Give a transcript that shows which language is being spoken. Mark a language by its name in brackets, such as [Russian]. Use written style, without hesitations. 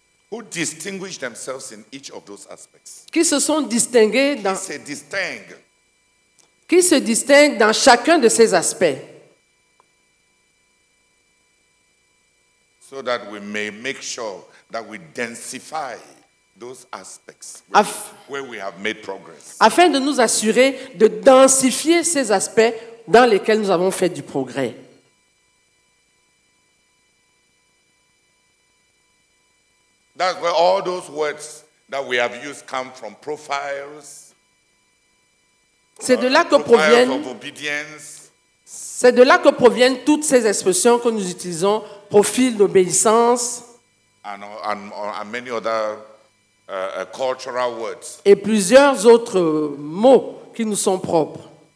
[English] Who distinguish themselves in each of those aspects? [French] Qui se sont distingués dans. Qui se distingue? Qui se distingue dans chacun de ces aspects? [English] So that we may make sure that we densify. Those aspects where we have made progress. [French] Afin de nous assurer de densifier ces aspects dans lesquels nous avons fait du progrès. [English] That's where all those words that we have used come from, profiles. [French] C'est de là que proviennent. [English] Profiles of obedience. [French] C'est de là que proviennent toutes ces expressions que nous utilisons, profil d'obéissance. [English] And many other. Cultural words. [French] Et plusieurs autres mots qui nous sont propres.